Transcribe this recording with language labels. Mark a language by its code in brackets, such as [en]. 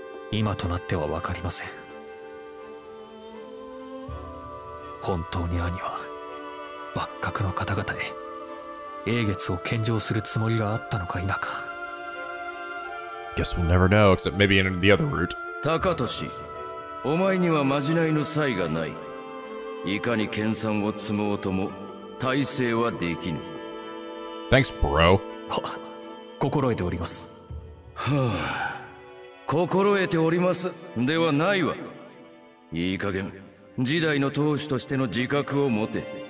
[ja] 今となっては分かりません。本当に兄は幕閣の方々へ英月を献上するつもりがあったのか否か。 [en] Guess we'll never know, except maybe in the other route. [ja] Takatoshi, お前にはまじないの才がない。いかに研鑽を積もうとも耐性はできぬ。 [en] Thanks, bro. [ja] は、心得ております。はあ、心得ておりますではないわ。いい加減、時代の当主としての自覚を持て。